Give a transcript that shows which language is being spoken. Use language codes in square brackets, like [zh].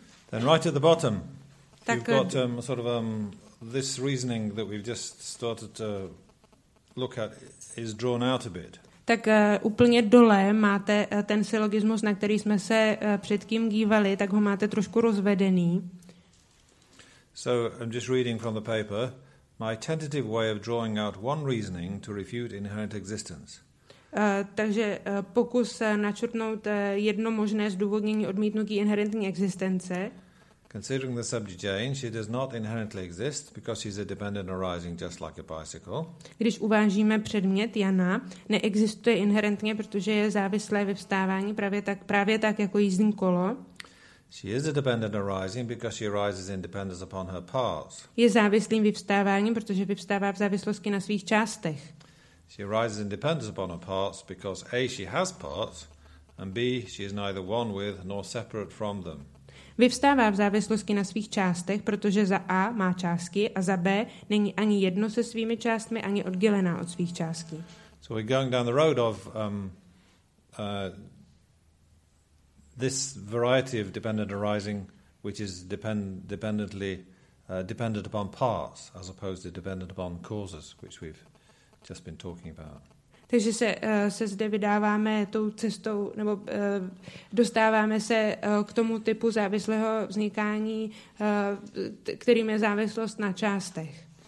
[en] Then right at the bottom, you've got this reasoning that we've just started to look at is drawn out a bit. [cs] Tak úplně dole máte ten syllogismus, na který jsme se předtím dívali, tak ho máte trošku rozvedený. [en] So I'm just reading from the paper. My tentative way of drawing out one reasoning to refute inherent existence. [cs] Takže pokus načrtnout jedno možné zdůvodnění odmítnutí inherentní existence. [en] Considering the subject Jane, she does not inherently exist because she's a dependent arising just like a bicycle. [cs] Když uvážíme předmět Jana, neexistuje inherentně, protože je závislé vyvstávání právě tak jako jízdní kolo. [en] She is a dependent arising because she arises in dependence upon her parts. [cs] Je závislým vyvstáváním, protože vyvstává v závislosti na svých částech. [en] She arises in dependence upon her parts because A, she has parts, and B, she is neither one with nor separate from them. [cs] Vyvstává v závislosti na svých částech, protože za A má částky a za B není ani jedno se svými částmi, ani oddělená od svých částky. [en] So we're going down the road of this variety of dependent arising, which is dependent upon parts, as opposed to dependent upon causes, which we've just been talking about. [cs] Takže se zde vydáváme tou cestou, nebo dostáváme se k tomu typu závislého vznikání, kterým je závislost na částech.